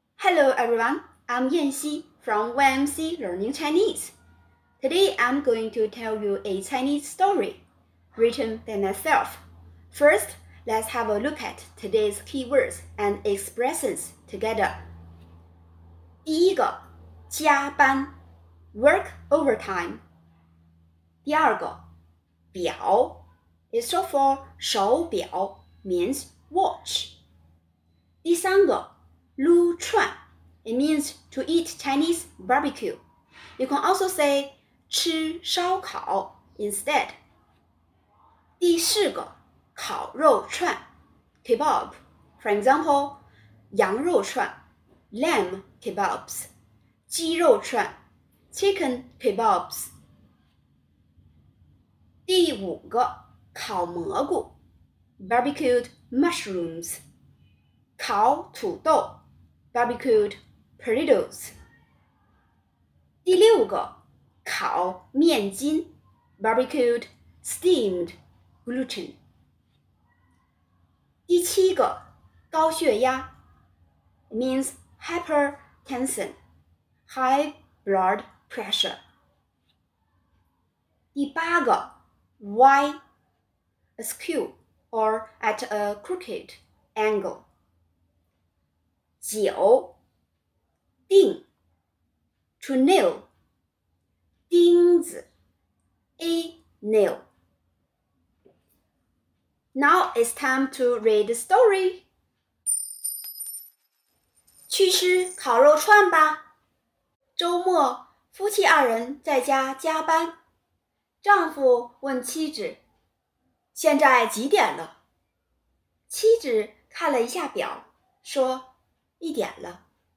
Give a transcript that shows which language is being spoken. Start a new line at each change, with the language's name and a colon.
English: Hello everyone, I'm Yanxi from YMC Learning Chinese. Today I'm going to tell you a Chinese story written by myself. First, let's have a look at today's keywords and expressions together.
Chinese: 第一个，加班
English: work overtime.
Chinese: 第二个，
English: 表 is short for 手表 means watch.
Chinese: 第三个，
English: 撸串 it means to eat Chinese barbecue. You can also say 吃烧烤 instead.
Chinese: 第四个，烤肉串 kebab.
English: For example, 羊肉串 lamb kebabs, 鸡肉串 chicken kebabs.
Chinese: 第五个，
English: 烤蘑菇 barbecued mushrooms, 烤土豆Barbecued potatoes.
Chinese: 第六个，
English: 烤面筋 Barbecued steamed gluten.
Chinese: 第七个，
English: 高血压 means hypertension, high blood pressure.
Chinese: 第八个
English: ,Y askew or at a crooked angle.
Chinese: 九，
English: 钉 ，to nail， 钉子 ，a nail. Now it's time to read the story.
Chinese: 去吃烤肉串吧。周末，夫妻二人在家加班。丈夫问妻子：“现在几点了？” 妻子看了一下表，说。一点了，